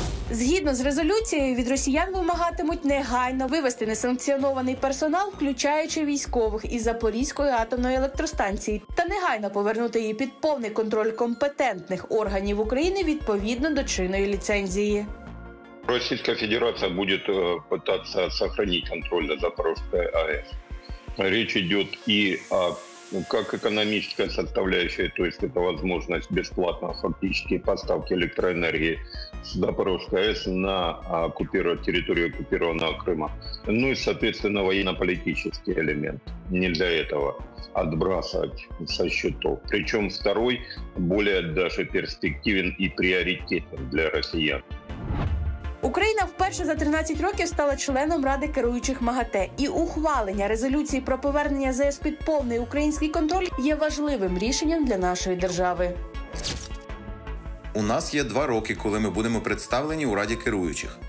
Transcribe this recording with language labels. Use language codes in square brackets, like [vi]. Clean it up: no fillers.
[uk] Згідно з резолюцією, від росіян вимагатимуть негайно вивести несанкціонований персонал, включаючи військових, із Запорізької атомної електростанції, та негайно повернути її під повний контроль компетентних органів України відповідно до чинної ліцензії. [ru] Російська Федерація буде пытаться сохранить контроль над Запорожской АЭС. Речь идет и о как экономическая составляющая, то есть это возможность бесплатно фактически поставки электроэнергии с Запорожской АЭС на территорию оккупированного Крыма. Ну и, соответственно, военно-политический элемент. Нельзя этого отбрасывать со счетов. Причем второй более даже перспективен и приоритетен для россиян. [uk] Україна вперше за 13 років стала членом Ради керуючих МАГАТЕ. І ухвалення резолюції про повернення ЗС під повний український контроль є важливим рішенням для нашої держави. У нас є 2 роки, коли ми будемо представлені у Раді керуючих.